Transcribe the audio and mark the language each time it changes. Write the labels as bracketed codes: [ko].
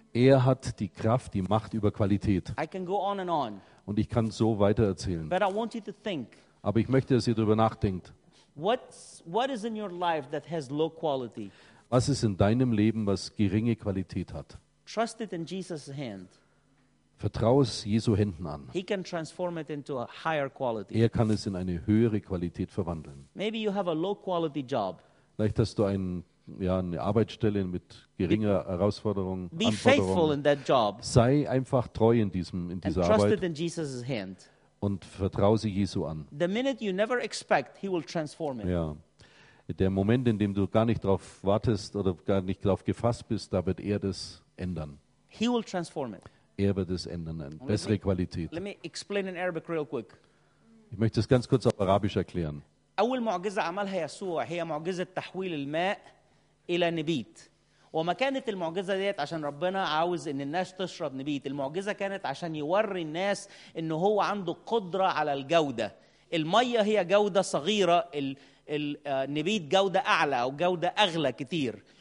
[de] Er hat die Kraft, die Macht über Qualität. [en] I can go on and on. [de] Und ich kann so weiter erzählen. [en] But I want you to think, [de] aber ich möchte, dass ihr darüber nachdenkt. [en] What is in your life that has low quality? [de] Was ist in deinem Leben, was geringe Qualität hat? [en] Trust it in Jesus' hand. [de] Vertraue es Jesu Händen an. [en] He can transform it into a higher quality. [de] Er kann es in eine höhere Qualität verwandeln. [en] Maybe you have a low quality job. [de] Vielleicht hast du eine Arbeitsstelle mit geringer Herausforderung. [en] Be faithful in that job. [de] Sei einfach treu in dieser [en] and trust [de] Arbeit. [en] It in Jesus' hand. [de] Und vertraue sie Jesu an. [en] The minute you never expect, he will transform it. [de] Ja. Der Moment, in dem du gar nicht drauf wartest oder gar nicht drauf gefasst bist, da wird er das ändern. [en] He will transform it. [de] Er wird es ändern, eine bessere Qualität. [en] Let me explain in Arabic real quick. [de] Ich möchte es ganz kurz auf Arabisch erklären. [ar] أول معجزة عملها يسوع هي معجزة تحويل الماء إلى نبيت. وما كانت المعجزة ديت عشان ربنا عاوز ان الناس تشرب نبيت. المعجزة كانت عشان يوري الناس ان هو عنده قدرة على الجودة. المية هي جودة صغيرة، النبيت جودة اعلى او جودة اغلى كتير.